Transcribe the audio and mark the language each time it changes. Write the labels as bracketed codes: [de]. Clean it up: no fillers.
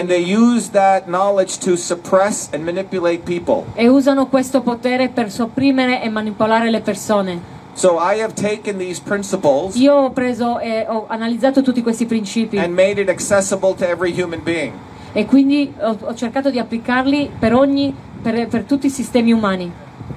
[en] And they use that knowledge to suppress and manipulate people. [it] E usano questo potere per sopprimere e manipolare le persone. [en] So I have taken these principles. [it] Io ho preso e ho analizzato tutti questi principi. [en] And made it accessible to every human being. [it] E quindi ho cercato di applicarli per tutti i sistemi umani.